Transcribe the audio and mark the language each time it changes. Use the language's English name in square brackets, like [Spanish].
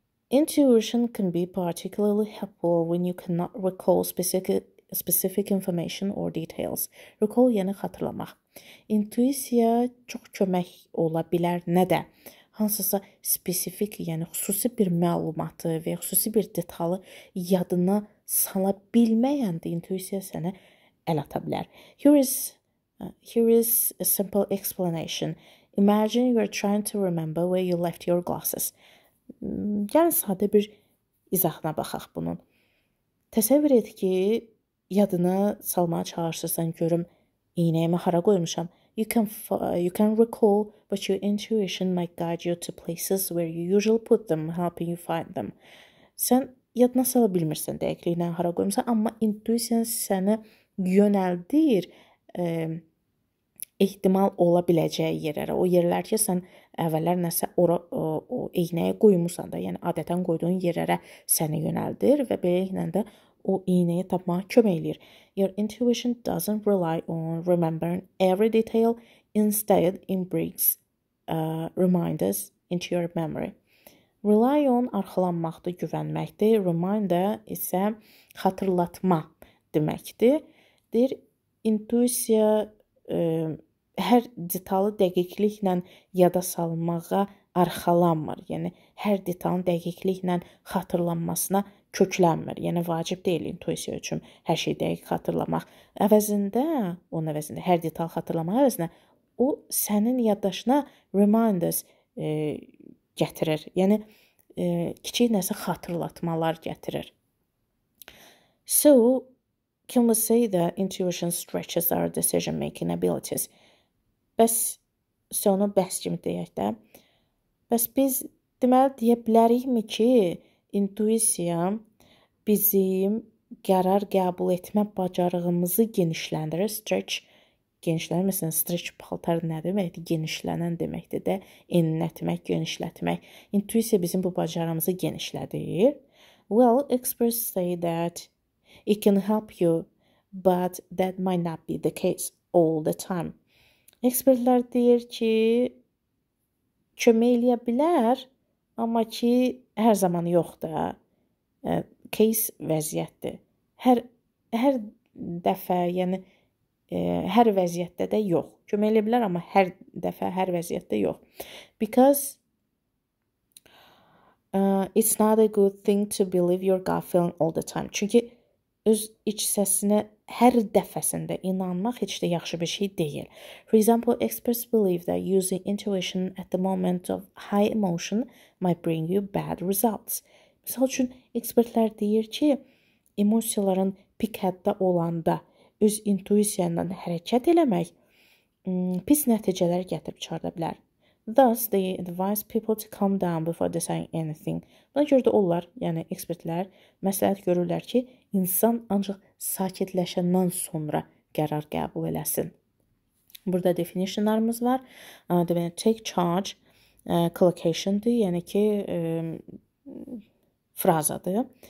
[English] Intuition can be particularly helpful when you cannot recall specific information or details. [Turkish] Recall yani hatırlamak. [Azerbaijani] İntüisiya çok kömək ola bilər. Nə də? Hansısa spesifik, yəni xüsusi bir məlumatı və xüsusi bir detalı yadına sala bilməyəndə intuisiya sənə əl ata bilər. [English] Here is a simple explanation. Imagine you are trying to remember where you left your glasses. [Azerbaijani] Yəni sadə bir izahına baxaq bunun. Təsəvvür et ki, yadına salmağa çalışırsan görüm iynəyimi hara qoymuşam. [English] You can recall, but your intuition might guide you to places where you usually put them, helping you find them. [Azerbaijani] Sən yadına sala bilmirsən dəqiqliklə hara qoymuşam, amma intuisiyan səni yönəldir ehtimal ola biləcəyi yerlərə. O yerlər ki, sən əvvəllər nəsə o iynəyə qoymusan da, yəni adətən qoyduğun yerlərə səni yönəldir və beləliklə də o iynəyi tapmağa kömək eləyir. [English] Your intuition doesn't rely on remembering every detail. Instead, it brings reminders into your memory. [Azerbaijani] Rely on arxalanmaqdır, güvənməkdir. Reminder isə xatırlatma deməkdir. Deyir, intuisiya hər detalı dəqiqliklə yada salmağa arxalanmır. Yəni, hər detalın dəqiqliklə xatırlanmasına köklənmir. Yəni, vacib deyil intuisiya üçün hər şeyi dəqiq xatırlamaq. Onun əvəzində, hər detalı xatırlamaq əvəzində, o sənin yaddaşına reminders gətirir. Yəni, kiçik nəsə xatırlatmalar gətirir. [English] So, can we say that intuition stretches our decision-making abilities? [Azerbaijani] Bəs, sonu bəs kimi deyək də. Bəs biz deməli deyə bilərikmi ki, intuisiya bizim qərar qəbul etmə bacarığımızı genişləndirir? Stretch, genişlənir. Məsələn, stretch paltar nə deməkdir? Genişlənən deməkdir də, enlətmək, genişlətmək. İntuisiya bizim bu bacarığımızı genişlədir. [English] Well, experts say that it can help you, but that might not be the case all the time. [Azerbaijani] Ekspertlər deyir ki, kömək eləyə bilər, amma ki, hər zaman yox da. Case vəziyyətdir. Hər dəfə, yəni hər vəziyyətdə də yox. Kömək eləyə bilər, amma hər dəfə, hər vəziyyətdə yox. [English] Because it's not a good thing to believe your gut feeling all the time. [Azerbaijani] Çünki öz iç səsinə hər dəfəsində inanmaq heç də yaxşı bir şey deyil. [English] For example, experts believe that using intuition at the moment of high emotion might bring you bad results. [Azerbaijani] Misal üçün, ekspertlər deyir ki, emosiyaların pik həddə olanda öz intuisiyandan hərəkət eləmək pis nəticələr gətirib çıxarda bilər. [English] Thus, they advise people to calm down before deciding anything. [Azerbaijani] Buna görə də onlar, yəni ekspertlər, məsləhət görürlər ki, insan ancaq sakitləşəndən sonra qərar qəbul eləsin. Burada definitionlarımız var. Deməli, take charge, collocation-dır, yəni ki, frazadır.